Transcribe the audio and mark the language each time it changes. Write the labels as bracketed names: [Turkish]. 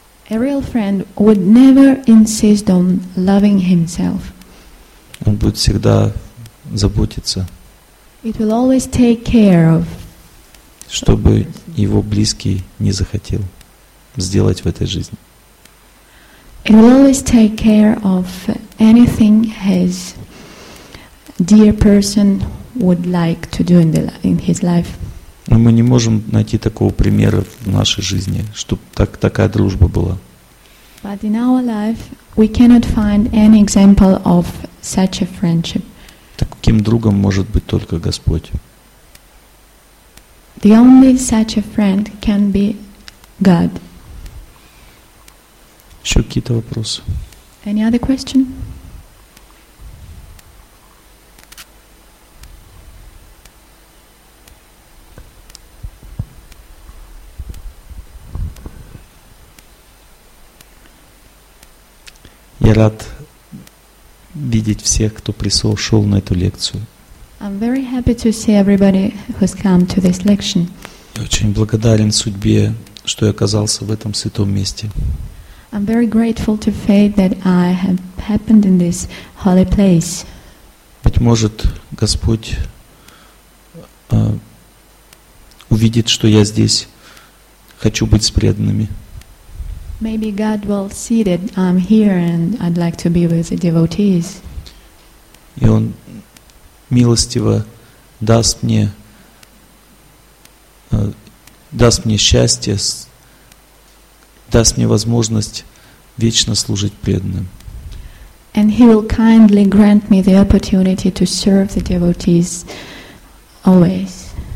[English] A real friend would never insist on loving himself. [Russian] Он будет всегда заботиться. [English] It will always take care of. [Russian] Чтобы его близкий не захотел сделать в этой жизни. [English] It will always take care of anything his dear person would like to do in his life. [Russian] Но мы не можем найти такого примера в нашей жизни, чтобы такая дружба была. [English] But in our life we cannot find any example of such a friendship. [Russian] Таким другом может быть только Господь. [English] The only such a friend can be God. [Russian] Еще какие-то вопросы? [English] Any other question? [Russian] Я рад видеть всех, кто пришел на эту лекцию. [English] I'm very happy to see everybody who's come to this lecture. [Russian] Я очень благодарен судьбе, что я оказался в этом святом месте. [English] I'm very grateful to fate that I have happened in this holy place. [Russian] Быть может, Господь увидит, что я здесь хочу быть с преданными. [English] Maybe God will see that I'm here and I'd like to be with the devotees. [Russian] И он милостиво даст мне счастье, даст мне возможность вечно служить преданным. [English] And he will kindly grant me the opportunity to serve the devotees always.